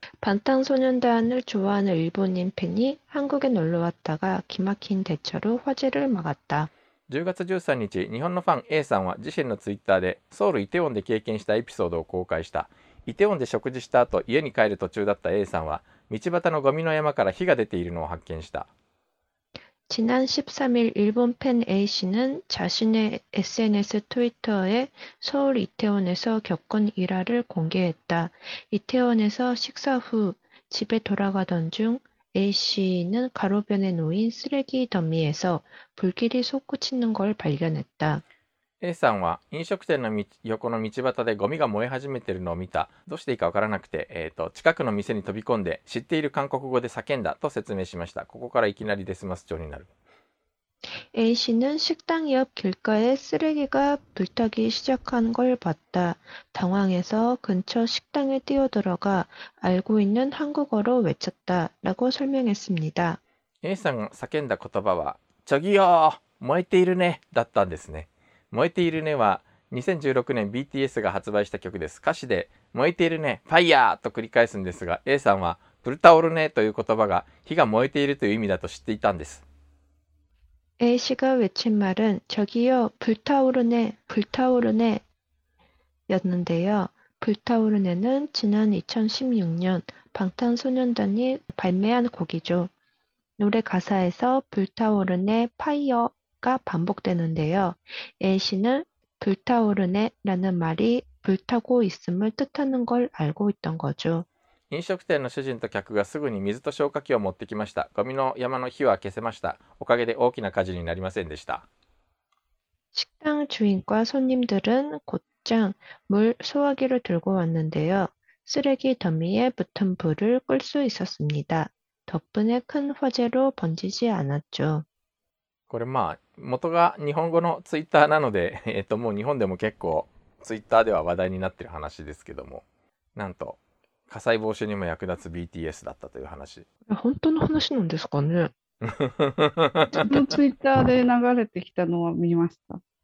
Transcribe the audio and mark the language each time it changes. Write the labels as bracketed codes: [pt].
[ko] 방탄소년단을좋아하는일본인팬이한국에놀러왔다가기막힌대처로화재를막았다。 [ja] 10月13日、日本のファン A さんは自身のツイッターでソウルイテウォンで経験したエピソードを公開した。イテウォンで食事した後、家に帰る途中だった A さんは道端のゴミの山から火が出ているのを発見した。 [ko] 지난13일일본팬 A 씨는자신의 SNS 트위터에서울이태원에서겪은일화를공개했다。 이태원에서식사후집에돌아가던중 A 씨는가로변에놓인쓰레기더미에서불길이솟구치는걸발견했다。 [ja] A さんは飲食店の横の道端でゴミが燃え始めてるのを見た。どうしていいかわからなくて、近くの店に飛び込んで知っている韓国語で叫んだと説明しました。ここからいきなりデスマス調になる。 [ko] A씨는 식당 옆 길가에 쓰레기가 불타기 시작한 걸 봤다. 당황해서 근처 식당에 뛰어들어가 알고 있는 한국어로 외쳤다라고 설명했습니다. [ja] A さんが叫んだ言葉は、 [ko] 저기요、 [ja] 燃えているね、だったんですね。燃えているねは、2016年 BTS が発売した曲です。歌詞で、燃えているね、ファイヤーと繰り返すんですが、A さんは、プルタオルネという言葉が火が燃えているという意味だと知っていたんです。 [ko] A씨가 외친 말은 저기요, 불타오르네, 불타오르네 였는데요. 불타오르네는 지난 2016년 방탄소년단이 발매한 곡이죠. 노래 가사에서 불타오르네, 파이어가 반복되는데요. A씨는 불타오르네라는 말이 불타고 있음을 뜻하는 걸 알고 있던 거죠. [ja] 飲食店の主人と客がすぐに水と消火器を持ってきました。ゴミの山の火は消せました。おかげで大きな火事になりませんでした。 [ko] 식당 주인과 손님들은 곧장 물 소화기를 들고 왔는데요. 쓰레기 더미에 붙은 불을 끌수 있었습니다. 덕분에 큰 화재로 번지지 않았죠. [ja] これまあ元が日本語のツイッターなので、もう日本でも結構ツイッターでは話題になってる話ですけども、なんと火災防止にも役立つ BTS だったという話。本当の話なんですかね。そのツイッターで流れてきたのは見ました。